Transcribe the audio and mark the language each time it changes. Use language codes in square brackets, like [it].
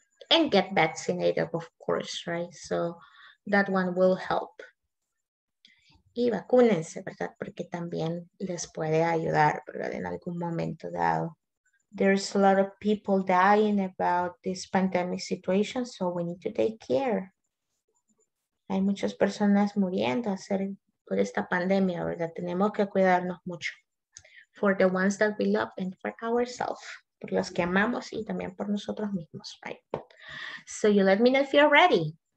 [en] And get vaccinated, of course, right? So that one will help. [es] Y vacúnense, ¿verdad? Porque también les puede ayudar, ¿verdad? En algún momento dado. [en] There's a lot of people dying about this pandemic situation, so we need to take care. [es] Hay muchas personas muriendo por esta pandemia, ¿verdad? Tenemos que cuidarnos mucho. [en] For the ones that we love and for ourselves. [es] Por los que amamos y también por nosotros mismos, right? [en] So you let me know if you're ready.